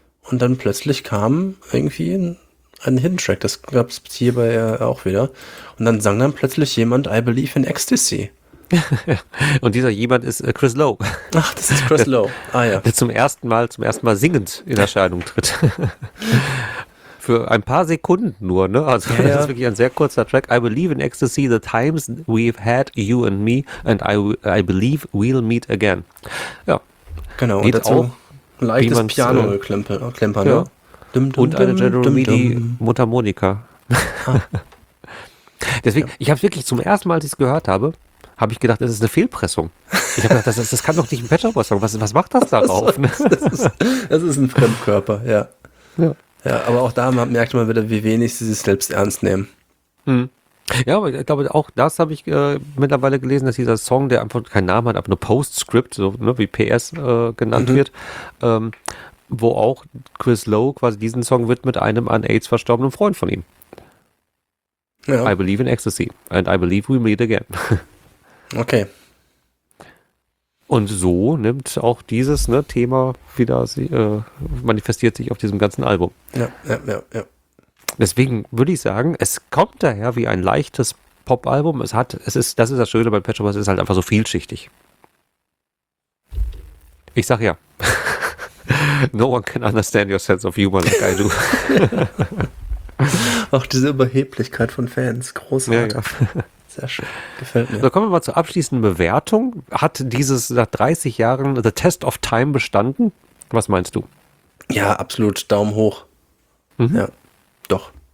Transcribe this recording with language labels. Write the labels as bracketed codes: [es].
[de] Und dann plötzlich kam irgendwie ein Hidden Track, das gab es hierbei auch wieder. Und dann sang dann plötzlich jemand I Believe in Ecstasy. Und dieser jemand ist Chris Lowe. Ach, das ist Chris Lowe. Ah ja. Der zum ersten Mal singend in Erscheinung tritt. Für ein paar Sekunden nur, ne? Also das ist wirklich ein sehr kurzer Track. [en] I Believe in Ecstasy, the times we've had, you and me, and I believe we'll meet again. [de] Ja. Genau, geht und dazu ein leichtes Piano-Klemper, ne? Ja. Und eine General Midi Mutter Monika. Ah. Deswegen, ich habe wirklich zum ersten Mal, als ich es gehört habe, habe ich gedacht, das ist eine Fehlpressung. Ich habe gedacht, das kann doch nicht ein Pet Shop Boys sagen. Was macht das darauf? Das ist ein Fremdkörper, ja. Ja. Ja, aber auch da merkt man wieder, wie wenig sie sich selbst ernst nehmen. Hm. Ja, aber ich glaube, auch das habe ich mittlerweile gelesen, dass dieser Song, der einfach keinen Namen hat, aber nur Postscript, so ne, wie PS genannt wird, wo auch Chris Lowe quasi diesen Song widmet einem an AIDS verstorbenen Freund von ihm. Ja. [en] I believe in ecstasy and I believe we meet again. [de] Okay. Und so nimmt auch dieses ne, Thema wieder, manifestiert sich auf diesem ganzen Album. Ja, ja, ja, ja. Deswegen würde ich sagen, es kommt daher wie ein leichtes Pop-Album. Das ist das Schöne bei Pet Shop Boys, es ist halt einfach so vielschichtig. Ich sag ja. [en] No one can understand your sense of humor like I do. [de] Auch diese Überheblichkeit von Fans, großartig. Ja, ja. Sehr schön, gefällt mir. So, kommen wir mal zur abschließenden Bewertung. Hat dieses nach 30 Jahren The Test of Time bestanden? Was meinst du? Ja, absolut, Daumen hoch. Mhm. Ja. Doch.